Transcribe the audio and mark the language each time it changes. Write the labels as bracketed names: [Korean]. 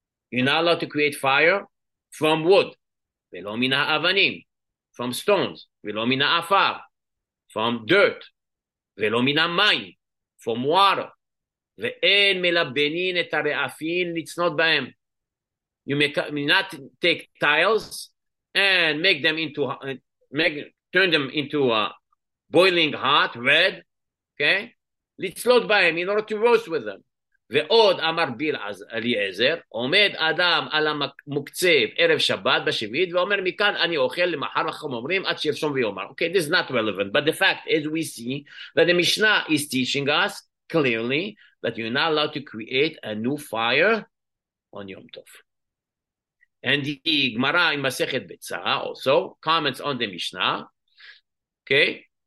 [English] You're not allowed to create fire from wood, [Hebrew] ולא מן האבנים, [English] from stones, [Hebrew] ולא מן האפר, [English] from dirt, [Hebrew] ולא מן המים, [English] from water, [Hebrew] ואין מלבנין את הרעפים לצנות בהם. [English] You may not take tiles and make them into, turn them into a boiling hot, red, okay? [Hebrew] לצלות בהם [English] in order to roast with them. [Hebrew] ועוד אמר ביל אליעזר, עומד אדם על המוקצב ערב שבת בשביעית, ואומר מכאן אני אוכל למחר לחמורים עד שירשום ויאמר. [English] Okay, this is not relevant, but the fact is we see that the Mishnah is teaching us clearly that you're not allowed to create a new fire on Yom Tov. And the Gemara in Masechet Betzah also comments on the Mishnah, okay?